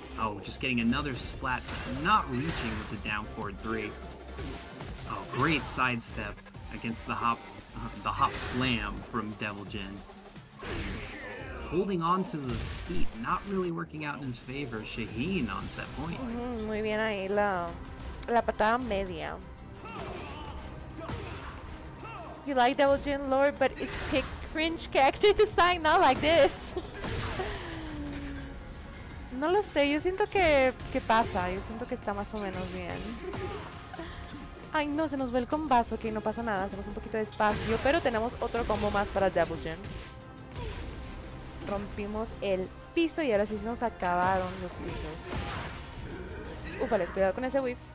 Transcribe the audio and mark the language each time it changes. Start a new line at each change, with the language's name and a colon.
English: Oh, just getting another splat, but not reaching with the down forward three. Oh, great sidestep against the hop slam from Devilgen. Holding on to the heat, not really working out in his favor. Shaheen on set point.
Spanish: Mm-hmm, muy bien ahí, la patada media.
English: You like Devilgen, Lord, but it's kick cringe character design, not like this.
Spanish: No lo sé, yo siento que pasa, yo siento que está más o menos bien. Ay no, se nos ve el combazo, ok, no pasa nada, hacemos un poquito de espacio, pero tenemos otro combo más para Devilgen. Rompimos el piso y ahora sí se nos acabaron los pisos. Ufales, cuidado con ese whiff.